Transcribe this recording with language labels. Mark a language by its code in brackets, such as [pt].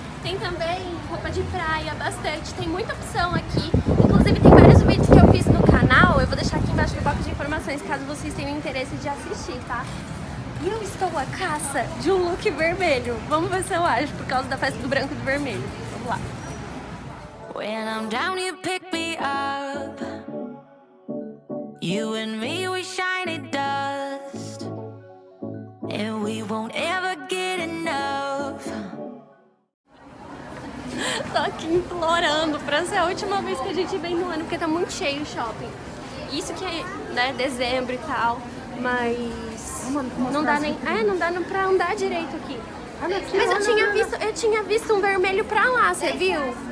[pt] Tem também roupa de praia, bastante. Tem muita opção aqui. Inclusive tem vários vídeos que eu fiz no canal. Eu vou deixar aqui embaixo no bloco de informações, caso vocês tenham interesse de assistir, tá? E eu estou à caça de um look vermelho. Vamos ver se eu acho, por causa da festa do branco e do vermelho. Vamos lá. [en] When I'm down, you pick me up. You and me, we shiny dust. And we won't ever get enough. [pt] Tô aqui implorando pra ser a última vez que a gente vem no ano, porque tá muito cheio o shopping. Isso que é, né, dezembro e tal, mas... Não dá nem... Ah, não dá pra andar direito aqui. Mas eu tinha visto, um vermelho pra lá, você viu?